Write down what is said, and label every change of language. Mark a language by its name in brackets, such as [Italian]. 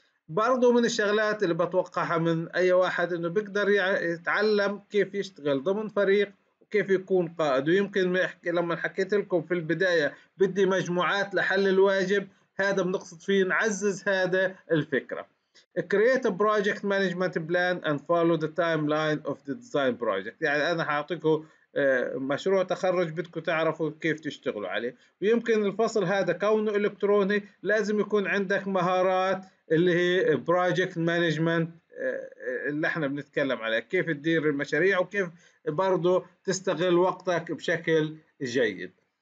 [Arabic] برضو من الشغلات اللي بتوقعها من أي واحد إنه بيقدر يتعلم كيف يشتغل ضمن فريق وكيف يكون قائد. ويمكن لما حكيت لكم في البداية بدي مجموعات لحل الواجب، هذا بنقصد فيه نعزز هذا الفكرة. [English] Create a project management plan and follow the timeline of the design project. [Arabic] يعني أنا حاعطيكم مشروع تخرج بدكم تعرفوا كيف تشتغلوا عليه، ويمكن الفصل هذا كونه إلكتروني لازم يكون عندك مهارات اللي هي project management اللي احنا بنتكلم عليه، كيف تدير المشاريع وكيف برضو تستغل وقتك بشكل جيد.